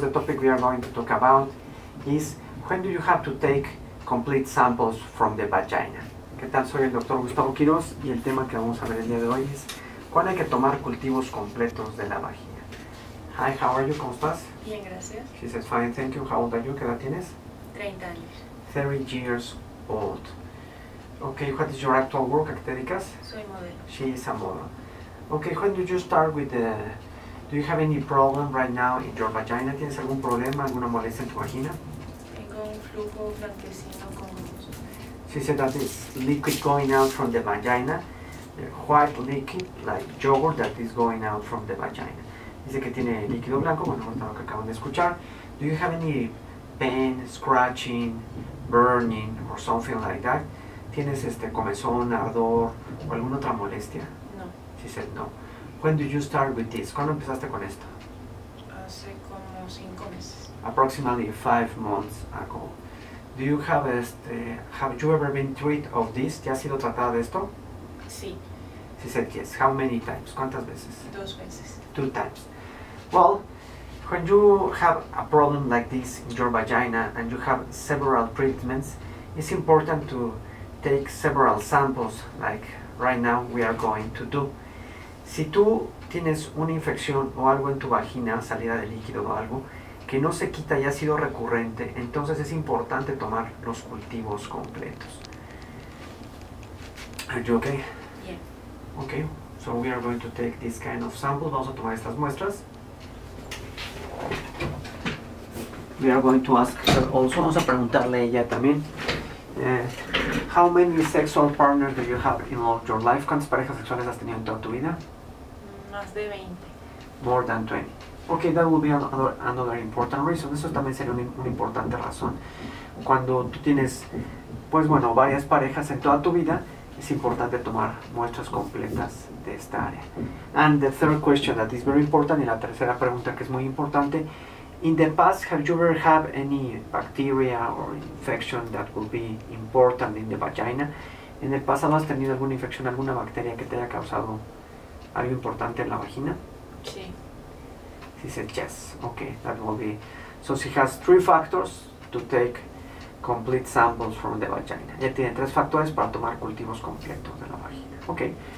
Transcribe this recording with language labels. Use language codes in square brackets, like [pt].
[en] The topic we are going to talk about is when do you have to take complete samples from the vagina? [es] ¿Qué tal? Soy el Dr. Gustavo Quiroz y el tema que vamos a ver el día de hoy es ¿cuándo hay que tomar cultivos completos de la vagina? [en] Hi, how are you? [es] ¿Cómo estás? Bien, gracias. [en] She says, fine, thank you. How old are you? [es] ¿Qué edad tienes? 30 años. [en] 30 years old. Okay, what is your actual work? [es] ¿A qué te dedicas? Soy modelo. [en] She is a model. Okay, when do you start with the... Do you have any problem right now in your vagina? [es] ¿Tienes algún problema, alguna molestia en tu vagina? Tengo un flujo blanquecino con mucoso. [en] She said that is liquid going out from the vagina. White liquid, like yogurt, that is going out from the vagina. [es] Dice que tiene líquido blanco, bueno, es lo que acaban de escuchar. [en] Do you have any pain, scratching, burning, or something like that? [es] ¿Tienes comezón, ardor, o alguna otra molestia? No. [en] She said no. When did you start with this? [es] ¿Cuándo empezaste con esto? Hace como 5 meses. [en] Approximately 5 months ago. Do you have have you ever been treated of this? [es] ¿Te has sido tratada de esto? Sí. [en] She said yes. How many times? [es] ¿Cuántas veces? 2 veces. [en] 2 times. Well, when you have a problem like this in your vagina and you have several treatments, it's important to take several samples like right now we are going to do. [es] Si tú tienes una infección o algo en tu vagina, salida de líquido o algo, que no se quita y ha sido recurrente, entonces es importante tomar los cultivos completos. [en] Are you okay? Yeah. Okay, so we are going to take this kind of samples. [es] Vamos a tomar estas muestras. [en] We are going to ask her also. [es] Vamos a preguntarle a ella también. [en] How many sexual partners do you have in all your life? [es] ¿Cuántas parejas sexuales has tenido en toda tu vida? Más de 20. [en] More than 20. Okay, that would be another important reason. [es] Eso también sería una importante razón. Cuando tú tienes, pues bueno, varias parejas en toda tu vida, es importante tomar muestras completas de esta área. [en] And the third question that is very important, [es] y la tercera pregunta que es muy importante, [en] in the past, have you ever had any bacteria or infection that would be important in the vagina? [es] ¿En el pasado has tenido alguna infección, alguna bacteria que te haya causado algo importante en la vagina? Sí. [en] She said yes. Okay, that will be. So she has 3 factors to take complete samples from the vagina. [es] Ella tiene 3 factores para tomar cultivos completos de la vagina. Okay.